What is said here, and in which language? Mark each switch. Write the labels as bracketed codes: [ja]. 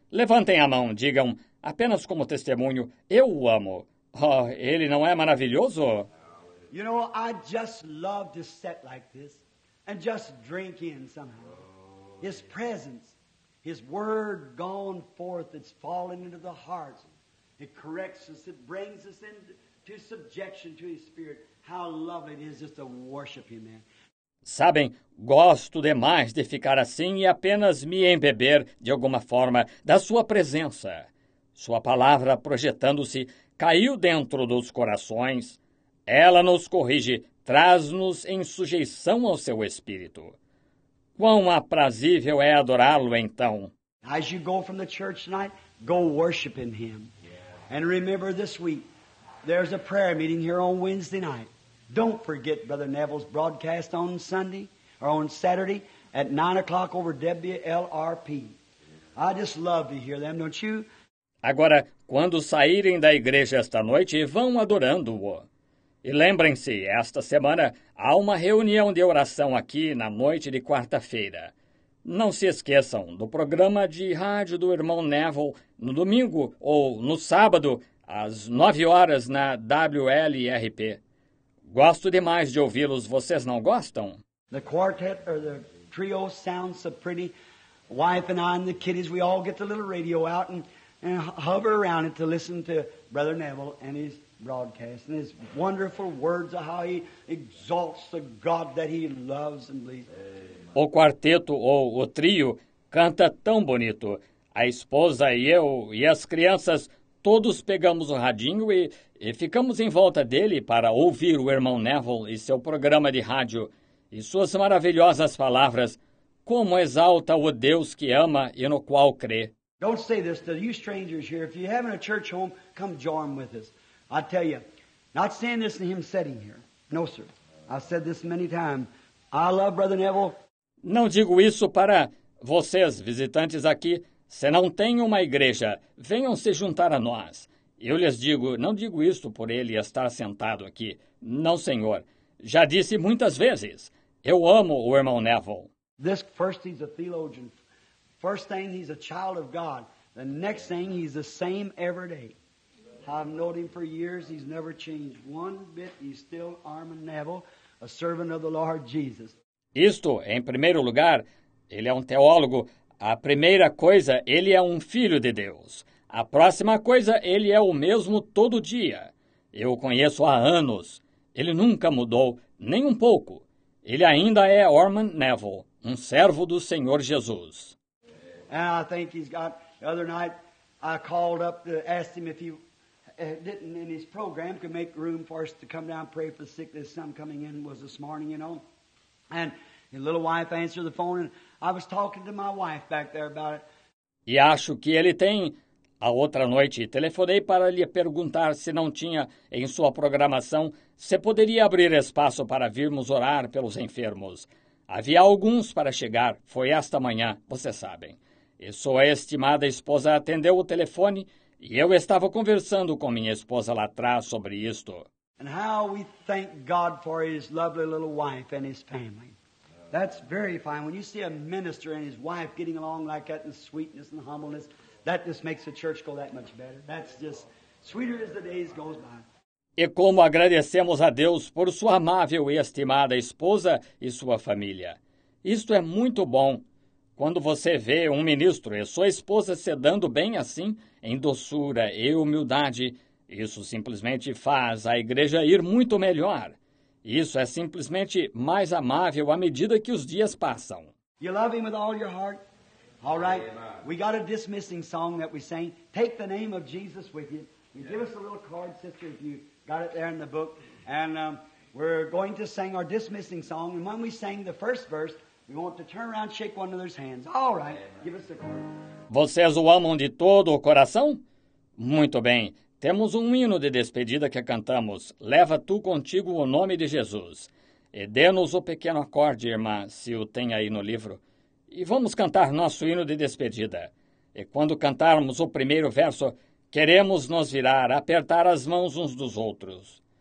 [pt] Levantem a mão, digam, apenas como testemunho, eu o amo. Oh, ele não é maravilhoso? [en] You know, I just love to sit like this and just drink in somehow his presence, His word gone forth, it's fallen into the hearts. It corrects us. It brings us into subjection to His Spirit. How lovely it is just to worship Him, man. [pt] Sabem, gosto demais de ficar assim e apenas me embeber, de alguma forma, da Sua presença. Sua palavra, projetando-se, caiu dentro dos corações. Ela nos corrige, traz-nos em sujeição ao Seu Espírito. Quão aprazível é adorá-Lo, então! [en] As you go from the church tonight, go worship in Him. And remember this week, there's a prayer meeting here on Wednesday night. Don't forget Brother Neville's broadcast on Sunday, or on Saturday, at 9 o'clock over WLRP. I just love to hear them, don't you? [pt] Agora, quando saírem da igreja esta noite, vão adorando-o. E lembrem-se, esta semana há uma reunião de oração aqui na noite de quarta-feira. Não se esqueçam do programa de rádio do irmão Neville no domingo ou no sábado, às 9 horas, na WLRP. Gosto demais de ouvi-los, vocês não gostam? [en] The quartet or the trio sounds so pretty. Wife and I and the kiddies, we all get the little radio out and hover around it to listen to Brother Neville and his broadcast and his wonderful words of how he exalts the God that he loves and believes. [pt] O quarteto ou o trio canta tão bonito. A esposa e eu e as crianças todos pegamos o radinho e ficamos em volta dele para ouvir o irmão Neville e seu programa de rádio e suas maravilhosas palavras. Como exalta o Deus que ama e no qual crê. [en] Don't say this to you strangers here. If you have a church home, come join with us. I tell you, not saying this in him sitting here. No, sir. I said this many times. I love Brother Neville. [pt] Não digo isso para vocês, visitantes aqui. Se não tem uma igreja, venham se juntar a nós. Eu lhes digo, não digo isto por ele estar sentado aqui. Não, senhor. Já disse muitas vezes. Eu amo o irmão Neville. [en] This first he's a theologian. First thing he's a child of God. The next thing he's the same every day. I've known him for years. He's never changed one bit. He's still Armand Neville, a servant of the Lord Jesus. [pt] Isto, em primeiro lugar, ele é um teólogo. A primeira coisa, ele é um filho de Deus. A próxima coisa, ele é o mesmo todo dia. Eu o conheço há anos. Ele nunca mudou, nem um pouco. Ele ainda é Armand Neville, um servo do Senhor Jesus. [en] And I think he's got, the other night, I called up to ask him if he didn't in his program could make room for us to come down and pray for the sick. There's some coming in, was this morning, you know. And his little wife answered the phone, and I was talking to my wife back there about it. [pt] E acho que ele tem. A outra noite, telefonei para lhe perguntar se não tinha em sua programação, se poderia abrir espaço para virmos orar pelos enfermos. Havia alguns para chegar, foi esta manhã, vocês sabem. E sua estimada esposa atendeu o telefone, e eu estava conversando com minha esposa lá atrás sobre isto. [en] And how we thank God for his lovely little wife and his family. That's very fine. When you see a minister and his wife getting along like that in sweetness and humbleness, that just makes the church go that much better. That's just sweeter as the days go by. [pt] E como agradecemos a Deus por sua amável e estimada esposa e sua família. Isto é muito bom. Quando você vê um ministro e sua esposa se dando bem assim, em doçura e humildade, isso simplesmente faz a igreja ir muito melhor. Isso é simplesmente mais amável à medida que os dias passam. [en] You love him with all your heart? All right. Amen. We got a dismissing song that we sang. Take the name of Jesus with you. You give us a little card, sister, if you got it there in the book. And we're going to sing our dismissing song. And when we sang the first verse, we want to turn around and shake one another's hands. All right. Amen. Give us the card. [pt] Vocês o amam de todo o coração? Muito bem. Temos um hino de despedida que cantamos. Leva tu contigo o nome de Jesus. E dê-nos o pequeno acorde, irmã, se o tem aí no livro. E vamos cantar nosso hino de despedida. E quando cantarmos o primeiro verso, queremos nos virar, apertar as mãos uns dos outros.